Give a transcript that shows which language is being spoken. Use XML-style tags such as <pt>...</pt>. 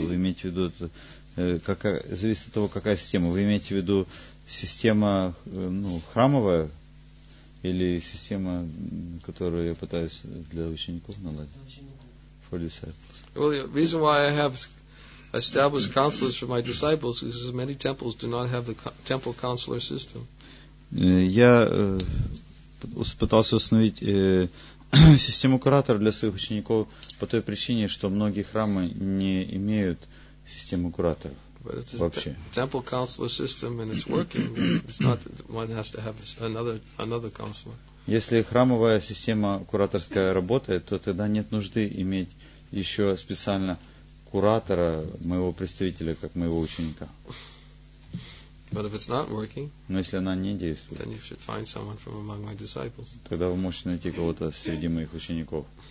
<ru>Вы имеете в виду, зависит от того, какая система. Вы имеете в виду система храмовая или система, которую я пытаюсь для учеников наладить?</ru> <en>For disciples. Well, the reason why I have established counselors for my disciples is because many temples do not have the temple counselor system.</en> <ru>Я пытался установить систему куратора для своих учеников по той причине, что многие храмы не имеют систему кураторов вообще.</ru> <en>Temple counselor system and it's working. It's not that one has to have another counselor.</en> <ru>Если храмовая система кураторская работает, то тогда нет нужды иметь еще специально куратора, моего представителя, как моего ученика.</ru> <en>But if it's not working,</en> <ru>но если она не действует,</ru> <en>then you should find someone from among my disciples.</en> <ru>Тогда вы можете найти кого-то среди моих учеников.</ru>